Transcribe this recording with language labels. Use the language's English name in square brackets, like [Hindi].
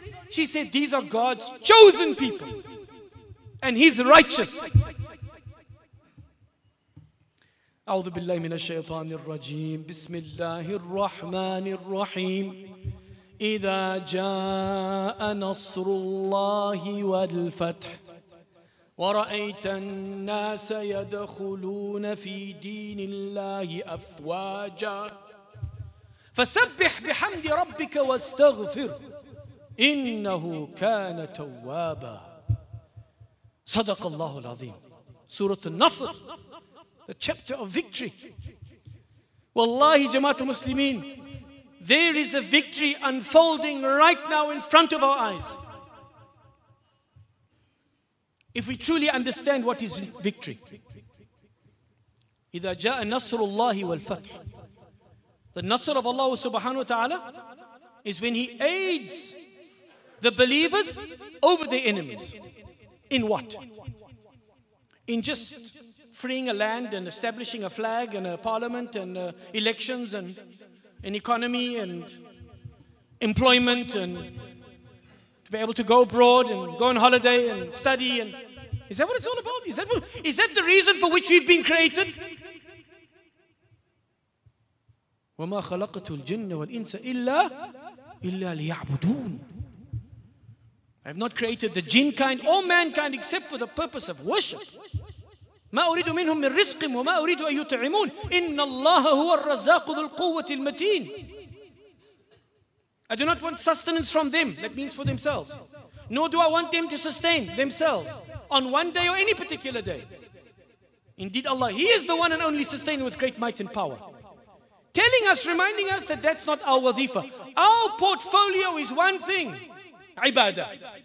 [English] She said these are God's chosen people. And He's righteous. [Arabic] أعوذ بالله من الشيطان الرجيم بسم الله الرحمن الرحيم إذا جاء نصر الله والفتح ورأيت الناس يدخلون في دين الله أفواجا فسبح بحمد ربك واستغفر إنه كان توابا صدق الله العظيم سورة النصر. [English] The chapter of victory. Wallahi Jamaat al-Muslimin, there is a victory unfolding right now in front of our eyes. If we truly understand what is victory. [Arabic] إِذَا جَاءَ نَصْرُ اللَّهِ وَالْفَتْحِ. [English] The nasr of Allah subhanahu wa ta'ala is when He aids the believers over the enemies. In what? In just freeing a land and establishing a flag and a parliament and elections and an economy and employment and to be able to go abroad and go on holiday and study. And is that what it's all about? Is that the reason for which we've been created? [Arabic] وَمَا خَلَقَتُ الْجِنَّ وَالْإِنسَ إِلَّا لِيَعْبُدُونَ. [English] I have not created the jinn kind or mankind except for the purpose of worship. [Arabic] مَا أُرِيدُ مِنْهُمْ مِنْ رِزْقٍ وَمَا أُرِيدُ أَنْ يُطْعِمُونَ إِنَّ اللَّهَ هُوَ الرَّزَّاقُ ذُو الْقُوَّةِ الْمَتِينَ. [English] I do not want sustenance from them, that means for themselves. Nor do I want them to sustain themselves on one day or any particular day. Indeed Allah, He is the one and only sustainer with great might and power. Telling us, reminding us that that's not our wazifa. Our portfolio is one thing, ibadah.